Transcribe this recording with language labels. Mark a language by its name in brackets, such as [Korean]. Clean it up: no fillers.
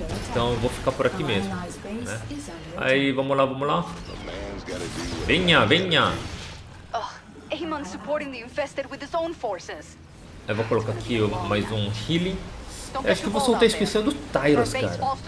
[Portuguese] Então eu vou ficar por aqui mesmo, né? Aí, vamos lá, vamos lá. Venha, venha. [English] Amon supporting the infested with his own forces. [Portuguese] Eu vou colocar aqui mais um healing. Eu acho que eu vou soltar a especial do Tyrus, cara.